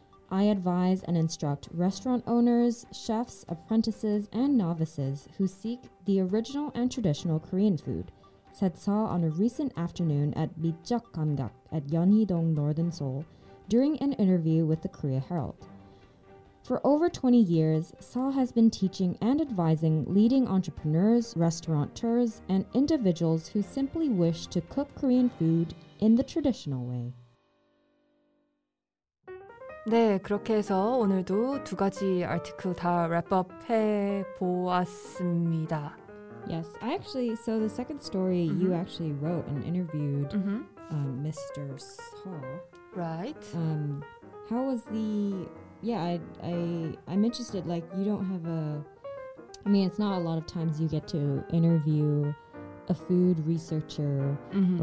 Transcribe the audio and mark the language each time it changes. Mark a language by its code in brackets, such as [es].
[en] I advise and instruct restaurant owners, chefs, apprentices, and novices who seek the original and traditional Korean food, said Sa on a recent afternoon at Mitjeok Gamgak at Yeonhidong, Northern Seoul, during an interview with the Korea Herald. For over 20 years, Sa has been teaching and advising leading entrepreneurs, restaurateurs, and individuals who simply wish to cook Korean food in the traditional way. [ko] 네, 그렇게 해서 오늘도 두 가지 아티클 다 랩업해 보았습니다. [en] Yes, I actually, so the second story mm-hmm. you actually wrote and interviewed mm-hmm. Mr. Sa. Right. How was the... Yeah, I'm interested, like, you don't have a... I mean, it's not a lot of times you get to interview a food researcher mm-hmm.